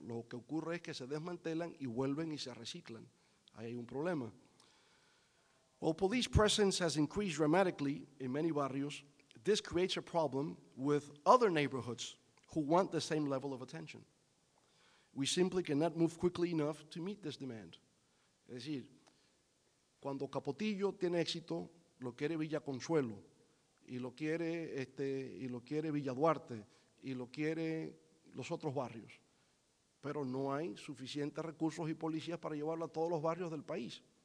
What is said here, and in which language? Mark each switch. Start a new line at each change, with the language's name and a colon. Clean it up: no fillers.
Spanish: Lo que ocurre es que se desmantelan y vuelven y se reciclan. Ahí hay un problema.
English: While police presence has increased dramatically in many barrios, this creates a problem with other neighborhoods who want the same level of attention. We simply cannot move quickly enough to meet this demand.
Spanish: Es decir, cuando Capotillo tiene éxito, lo quiere Villa Consuelo, y lo quiere, y lo quiere Villa Duarte, y lo quiere los otros barrios. Pero no hay suficientes recursos y policías para llevarlo a todos los barrios del país.